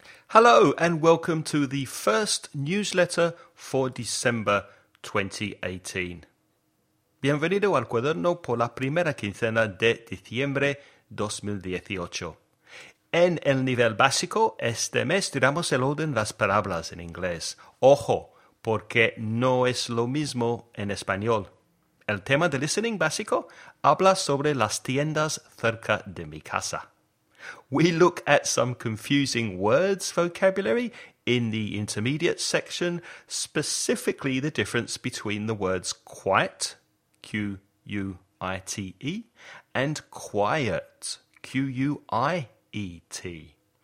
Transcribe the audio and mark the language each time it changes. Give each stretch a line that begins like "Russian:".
English: Hello and welcome to the first newsletter for December 2018.
Spanish: Bienvenido al cuaderno por la primera quincena de diciembre 2018. En el nivel básico, este mes tiramos el orden las palabras en inglés. Ojo, porque no es lo mismo en español. El tema de listening básico habla sobre las tiendas cerca de mi casa.
English: We look at some confusing words vocabulary in the intermediate section, specifically the difference between the words quiet, Q-U-I-T-E, and quiet, Q-U-I-E-T.